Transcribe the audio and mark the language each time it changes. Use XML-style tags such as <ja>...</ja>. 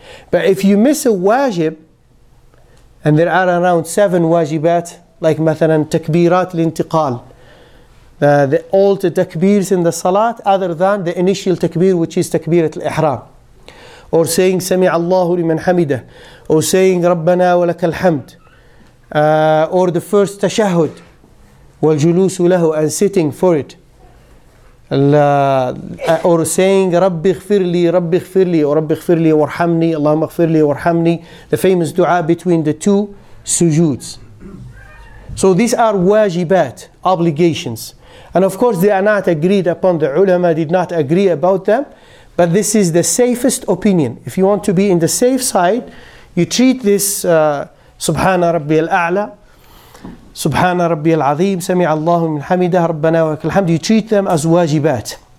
<en>But if you miss a wajib, and there are around 7 wajibat, like مثلاً takbirat al-intiqal, the all the takbirs in the salat other than the initial takbir, which is takbirat al-ihram, or saying sami'allahu liman hamidah, or saying rabbana wa lakal hamd, or the first tashahud,</en> <ar>وَالْجُلُوسُ لَهُ,</ar> <en>and sitting for it. Or saying</en> <ar>رَبِّ اغْفِرْ لِي, رَبِّ اغْفِرْ لِي, or رَبِّ اغْفِرْ لِي وَارْحَمْنِي, اللَّهُمَّ اغْفِرْ لِي وَارْحَمْنِي,</ar> <en>the famous dua between the two sujoods. So these are wajibat, obligations. And of course they are not agreed upon, the ulama did not agree about them, but this is the safest opinion. If you want to be in the safe side, you treat this Subhana Rabbi al-A'la, Subhana Rabbi al-Azim, Sami'a Allahu min hamidah, Rabbana wa kalhamdu, you treat them as wajibat.</en>